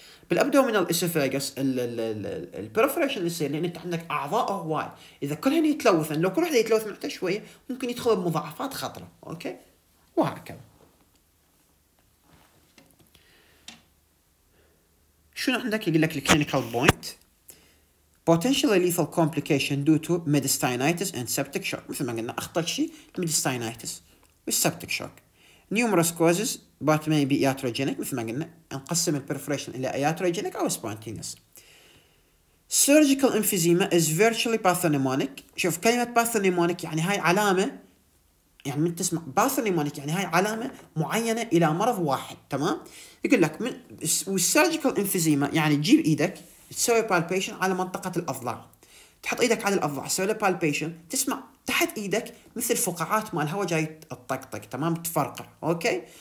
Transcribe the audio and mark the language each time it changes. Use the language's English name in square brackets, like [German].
[Arabic] بالابدومينال اسفاجس البرفوريشن اللي يصير لان انت عندك اعضاء هواي، اذا كلهن يتلوثن، لو كل واحد يتلوث معناته شويه ممكن يدخل بمضاعفات خطره، اوكي؟ وهكذا. شنو عندك؟ يقول لك الكلينيكال بوينت [English] potentially lethal complication due to mediastinitis and septic shock، [Arabic] مثل ما قلنا اخطر شيء [English] mediastinitis والseptic shock، numerous causes but may be iatrogenic، [Arabic] مثل ما قلنا نقسم البرفوريشن الى [English] iatrogenic او spontaneous، surgical emphysema is virtually pathognomonic. [Arabic] شوف كلمه pathognomonic يعني هاي علامه، يعني من تسمع pathognomonic يعني هاي علامه معينه الى مرض واحد، تمام. يقول لك والسيرجيكال انفيزيما يعني تجيب ايدك تسوي بالبيشن على منطقه الاضلاع، تحط ايدك على الاضلاع تسوي له بالبيشن، تسمع تحت ايدك مثل فقاعات مال هواء جاي تطقطق، تمام، تفرقع، اوكي.